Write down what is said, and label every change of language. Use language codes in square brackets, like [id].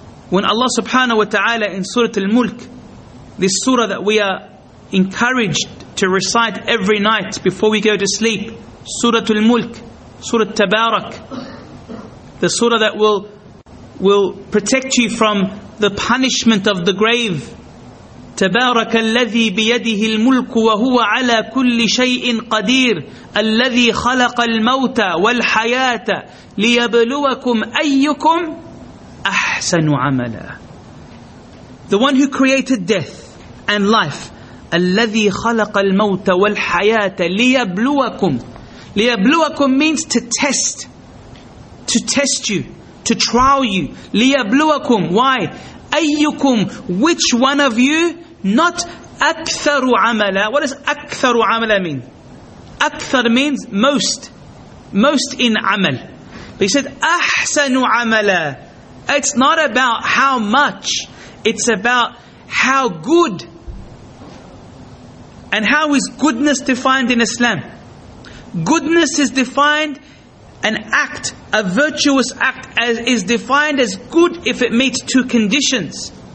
[en] When Allah subhanahu wa ta'ala in Surah Al-Mulk, this surah that we are encouraged to recite every night before we go to sleep, Surah Al-Mulk, Surah Tabarak, the surah that will protect you from the punishment of the grave. [ar] تبارك الذي بيده الملك وهو على كل شيء قدير الذي خلق الموت والحياة ليبلوكم أيكم أحسن عملا. [en] The one who created death and life, [ar] الذي خلق الموت والحياة ليبلوكم. [en] ليبلوكم means to test you, to trial you. ليبلوكم, why? أيكم, which one of you? Not [ar] أكثر عملا. [en] What does [ar] أكثر عملا [en] mean? أكثر means most. Most in عمل. But he said [ar] أحسن عملا. [en] It's not about how much. It's about how good. And how is goodness defined in Islam? Goodness is defined, an act, a virtuous act, as is defined as good if it meets two conditions.